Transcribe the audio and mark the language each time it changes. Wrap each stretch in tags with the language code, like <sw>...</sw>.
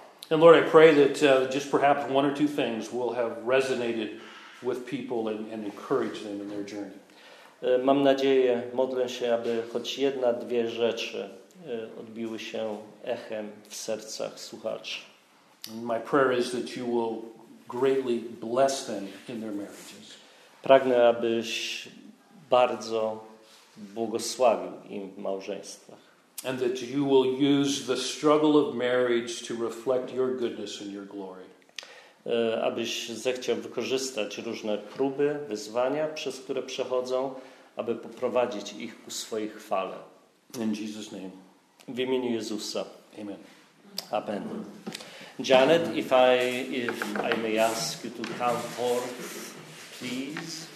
<en>And Lord, I pray that just perhaps one or two things will have resonated with people and encourage them in their journey.</en> <pl>Mam nadzieję, modlę się, aby choć jedna, dwie rzeczy odbiły się echem w sercach słuchaczy.</pl> <en>My prayer is that you will greatly bless them in their marriages.</en> <pl>Pragnę, abyś bardzo błogosławił im w małżeństwach.</pl> <en>And that you will use the struggle of marriage to reflect your goodness and your glory.</en> <pl>Abyś zechciał wykorzystać różne próby, wyzwania, przez które przechodzą, aby poprowadzić ich ku swojej chwale.</pl> <en>In Jesus' name.</en> <pl>W imieniu Jezusa.</pl> <en>Amen.</en> <pl>Amen.</pl> <en>Janet, if I may ask you to come forth, please.</en>